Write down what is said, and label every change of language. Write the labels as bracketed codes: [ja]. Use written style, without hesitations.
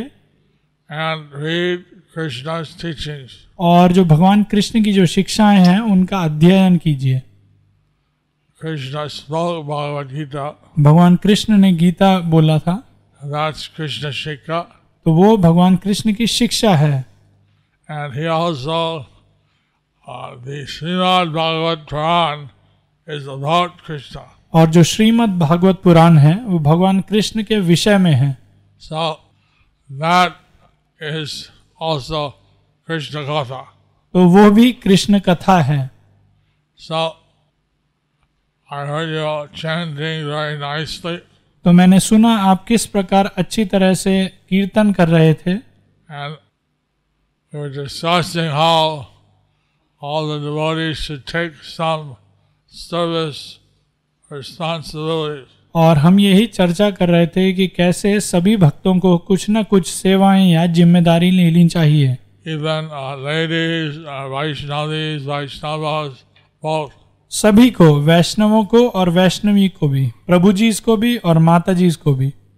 [en] and read Krishna's teachings, [hi] और जो भगवान कृष्ण की जो शिक्षाएं हैं उनका अध्ययन कीजिए. [en] Krishna spoke Bhagavad Gita. [hi] भगवान कृष्ण ने गीता बोला था. [en] That's Krishna Shikha. [hi] तो वो भगवान कृष्ण की शिक्षा है. [en] And he also, the Srimad Bhagavat Puran is about Krishna. [hi] और जो श्रीमद् भागवत पुराण है वो भगवान कृष्ण के विषय में है. [en] So that is also Krishna Katha. [hi] तो वो भी कृष्ण कथा है. [en] So I heard you chanting very nicely. [hi] तो मैंने सुना आप किस प्रकार अच्छी तरह से कीर्तन कर रहे थे. [en] And we were discussing how all the devotees should take some service responsibilities. [hi] और हम यही चर्चा कर रहे थे कि कैसे सभी भक्तों को कुछ न कुछ सेवाएं या जिम्मेदारी लेनी चाहिए. [en] Even ladies, Vaishnavis, Vaishnavas, both. [hi] सभी को, वैष्णवों को और वैष्णवी को भी, प्रभु जी को भी और माता जी को भी.